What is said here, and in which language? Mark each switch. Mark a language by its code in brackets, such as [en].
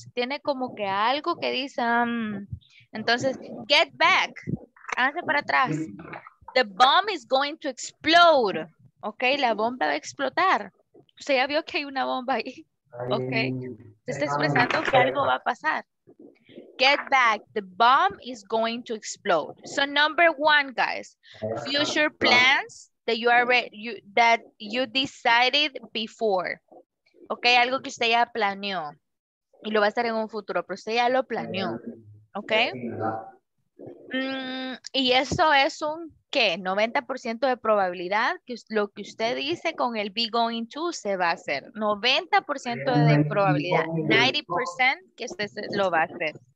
[es] Usted tiene como que algo que dice, entonces, get back. Háganse para atrás. [en] The bomb is going to explode. ¿Ok? [es] La bomba va a explotar. Usted ya vio que hay una bomba ahí. ¿Ok? Se está expresando que algo va a pasar. [en] Get back. The bomb is going to explode. So number one, guys, future plans that you decided before. [es] Okay, algo que usted ya planeó y lo va a hacer en un futuro, pero usted ya lo planeó. Okay? Y eso es un ¿qué? 90% de probabilidad que lo que usted dice con el be going to se va a hacer. 90% de probabilidad. 90% que usted lo va a hacer.